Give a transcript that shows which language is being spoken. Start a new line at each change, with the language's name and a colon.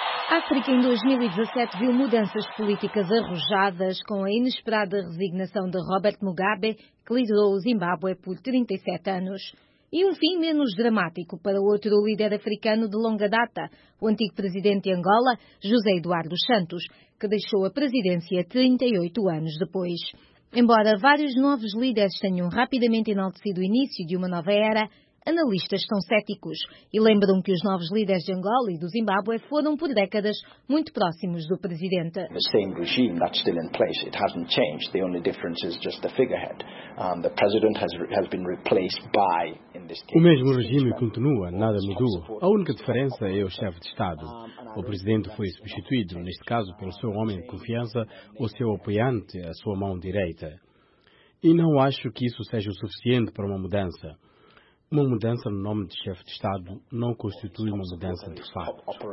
Portuguese: África em 2017 viu mudanças políticas arrojadas com a inesperada resignação de Robert Mugabe, que liderou o Zimbábue por 37 anos, e um fim menos dramático para outro líder africano de longa data, o antigo presidente de Angola, José Eduardo Santos, que deixou a presidência 38 anos depois. Embora vários novos líderes tenham rapidamente enaltecido o início de uma nova era, analistas estão céticos e lembram que os novos líderes de Angola e do Zimbábue foram, por décadas, muito próximos do presidente.
English: The same regime that's still in place. It hasn't changed. The only difference is just the figurehead. The president has been replaced by, in this case.
Portuguese: O mesmo regime continua, nada mudou. A única diferença é o chefe de Estado. O presidente foi substituído, neste caso, pelo seu homem de confiança, o seu apoiante, a sua mão direita. E não acho que isso seja o suficiente para uma mudança. Uma mudança no nome de chefe de Estado não constitui uma mudança de facto.